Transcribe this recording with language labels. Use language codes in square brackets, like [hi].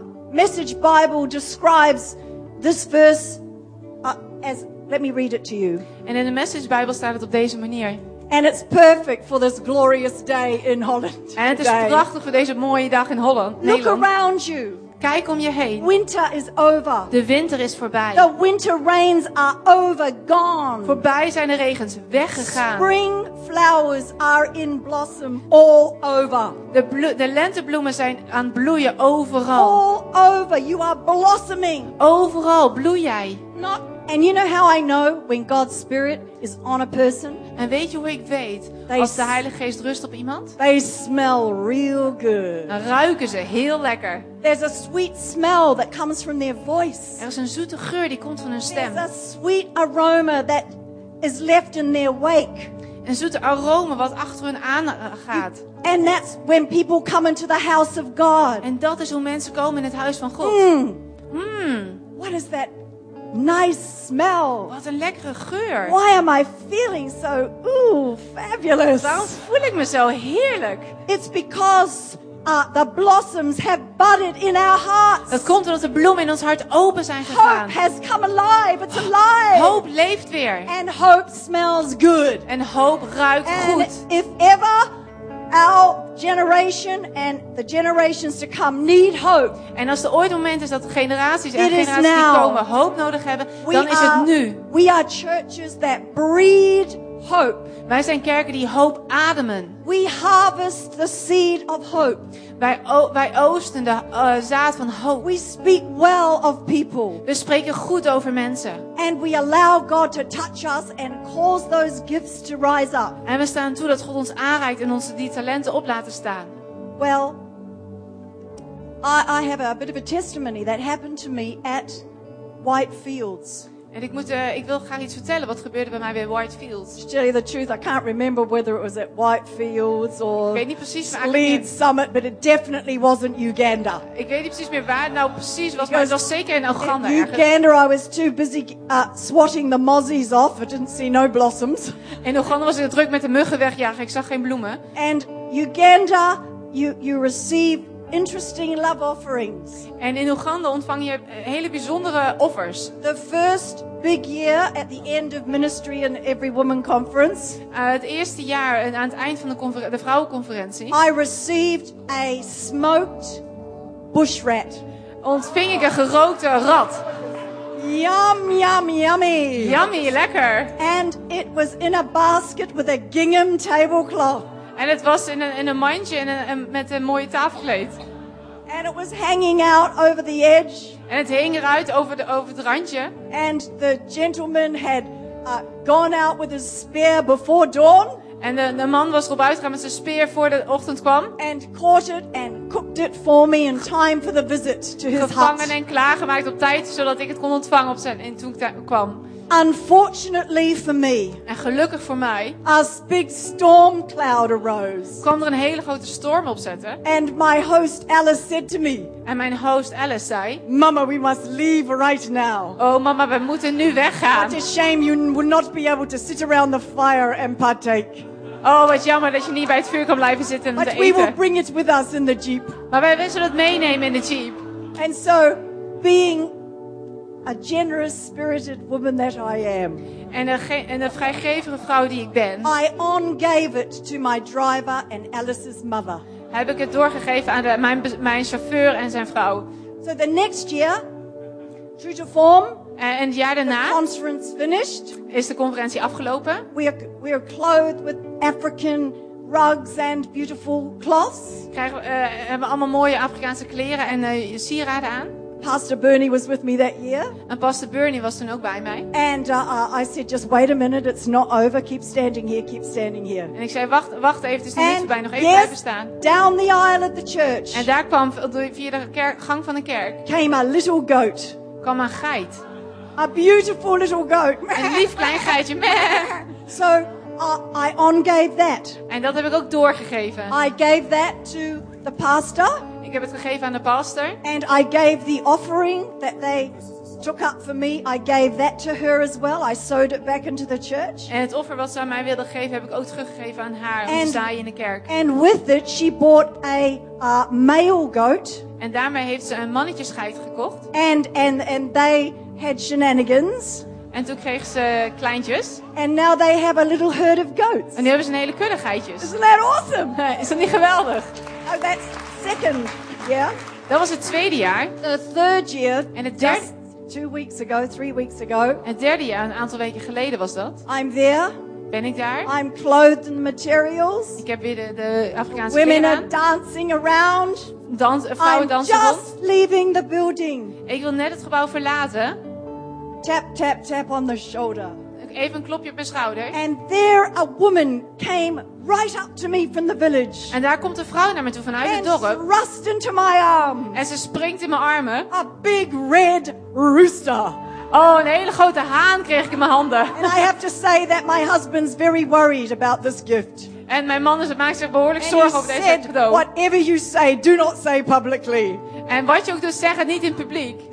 [en] Message Bible describes this verse as let me read it to you. And in the [nl] Message Bible staat het op deze manier. [en] And it's perfect for this glorious day in Holland. [nl] En het is prachtig voor deze mooie dag in Holland. [en] Look Nederland. Around you. [nl] Kijk om je heen. [en] Winter is over. [nl] De winter is voorbij. [en] The winter rains are over, gone. [nl] Voorbij zijn de regens, weggegaan. [en] Spring flowers are in blossom all over. [nl] De lentebloemen zijn aan het bloeien overal. [en] All over, you are blossoming. [nl] Overal bloei jij. [en] And you know how I know when God's Spirit is on a person? [nl] En weet je hoe ik weet als de Heilige Geest rust op iemand? [en] They smell real good. [nl] Dan ruiken ze heel lekker. [en] There's a sweet smell that comes from their voice. [nl] Er is een zoete geur die komt van hun stem. [en] There's a sweet aroma that is left in their wake. [nl] Een zoete aroma wat achter hun aangaat. [en] And that's when people come into the house of God. [nl] En dat is hoe mensen komen in het huis van God. [en] What is that? Nice smell. [nl] Wat een lekkere geur. [en] Why am I feeling so fabulous? [nl] Waarom voel ik me zo heerlijk? [en] It's because the blossoms have budded in our hearts. [nl] Dat komt omdat de bloemen in ons hart open zijn gegaan. [en] Hope has come alive. It's alive. [nl] Hoop leeft weer. [en] And hope smells good. [nl] En hoop ruikt [en] and [nl] goed. [en] If ever our generation and the generations to come need hope. [nl] En als er ooit een moment is dat generaties en generaties die komen hoop nodig hebben, dan is het nu. [en] We are churches that breed hope. [nl] Wij zijn kerken die hoop ademen. [en] We harvest the seed of hope. [nl] Wij oosten de zaad van hoop. [en] We speak well of people. [nl] We spreken goed over mensen. [en] And we allow God to touch us and cause those gifts to rise up. [nl] En we staan toe dat God ons aanreikt en ons die talenten op laten staan. [en] Well, I have a bit of a testimony that happened to me at White Fields. [nl] En ik wil graag iets vertellen wat gebeurde bij mij bij White Fields. [en] To tell you the truth, I can't remember whether it was at White Fields or [nl] ik weet niet precies, [en] Leeds Summit, but it definitely wasn't Uganda. [nl] Ik weet niet precies meer waar het nou precies was, maar het was zeker in Oeganda. [en] In Uganda, I was too busy swatting the mozzies off. I didn't see no blossoms. [nl] In Oeganda was ik druk met de muggen wegjagen. Ik zag geen bloemen. [en] And Uganda, you receive interesting love offerings. [nl] En in Oeganda ontvang je hele bijzondere offers. [en] The first big year at the end of ministry and every woman conference. [nl] Het eerste jaar en aan het eind van de vrouwenconferentie. [en] I received a smoked bush rat. [nl] Ontving ik een gerookte rat. [en] Yum, yum, yummy. Yummy, [nl] lekker. [en] And it was in a basket with a gingham tablecloth. [nl] En het was in een mandje met een mooie tafelkleed. [en] And it was hanging out over the edge. [nl] En het hing eruit over het randje. [en] And the gentleman had gone out with his spear before dawn. [nl] En de man was erop uitgegaan met zijn speer voor de ochtend kwam. [en] And caught it and cooked it for me in time for the visit to his hut. [nl] Gevangen en klaargemaakt op tijd zodat ik het kon ontvangen toen ik kwam. [en] Unfortunately for me, [nl] en gelukkig voor mij, [en] a big storm cloud arose. [nl] Kwam er een hele grote storm opzetten. [en] And my host Alice said to me, [nl] en mijn host Alice zei, [en] Mama, we must leave right now. [nl] Oh, mama, we moeten nu weggaan. [en] What a shame you would not be able to sit around the fire and partake. [nl] Oh, wat jammer dat je niet bij het vuur kan blijven zitten en [en] But [nl] te eten. [en] But we will bring it with us in the jeep. [nl] Maar wij zullen het meenemen in de jeep. [en] And so, being a generous-spirited woman that I am. [nl] En een vrijgevige vrouw die ik ben. [en] I on gave it to my driver and Alice's mother. [nl] Heb ik het doorgegeven aan mijn chauffeur en zijn vrouw. [en] So the next year, true to form. [nl] En het jaar daarna. [en] The conference finished. [nl] Is de conferentie afgelopen. [en] We are clothed with African rugs and beautiful cloths. [nl] Hebben allemaal mooie Afrikaanse kleren en sieraden aan. [en] Pastor Bernie was with me that year. [nl] En Pastor Bernie was toen ook bij mij. [en] And I said, just wait a minute, it's not over. Keep standing here, keep standing here. [nl] En ik zei, wacht even, het is niet voorbij, nog even [en] yes, [nl] blijven staan. [en] Down the aisle at the church. [nl] En daar kwam via de gang van de kerk. [en] Came a little goat. [nl] Kwam een geit. [en] A beautiful little goat. [nl] Een lief klein geitje. [en] So I on gave that. [nl] En dat heb ik ook doorgegeven. [en] I gave that to the pastor. [nl] Ik heb het gegeven aan de pastor. [en] And I gave the offering that they took up for me. I gave that to her as well. I sewed it back into the church. [nl] En het offer wat ze aan mij wilde geven, heb ik ook teruggegeven aan haar. En zaaien in de kerk. [en] And with it, she bought a male goat. [nl] En daarmee heeft ze een mannetjesgeit gekocht. [en] And they had shenanigans. [nl] En toen kreeg ze kleintjes. [en] And now they have a little herd of goats. [nl] En nu hebben ze een hele kudde geitjes. [en] Isn't that awesome? [nl] Is dat niet geweldig? [en] Oh, that's second year. [nl] Dat was het tweede jaar. [en] The third year. [nl] En het derde. [en] Three weeks ago. [nl] En het derde jaar, een aantal weken geleden was dat. [en] I'm there. [nl] Ben ik daar? [en] I'm clothed in materials. [nl] Ik heb weer de Afrikaanse kleren aan. [en] Women are dancing around. [nl] Vrouwen dansen rond. [en] I'm just leaving the building. [nl] Ik wil net het gebouw verlaten. [en] Tap, tap, tap on the shoulder. [nl] Even een klopje op mijn schouder. [en] And there a woman came right up to me from the village. [nl] En daar komt een vrouw naar me toe vanuit het dorp. [en] And thrust into my arms. [nl] En ze springt in mijn armen. [en] A big red rooster. [nl] Oh, een hele grote haan kreeg ik in mijn handen. [en] And I have to say that my husband's very worried about this gift. [nl] En mijn man maakt zich behoorlijk zorgen over deze cadeau. [en] Whatever you say, do not say publicly. [nl] En wat je ook doet, zeg het niet in publiek.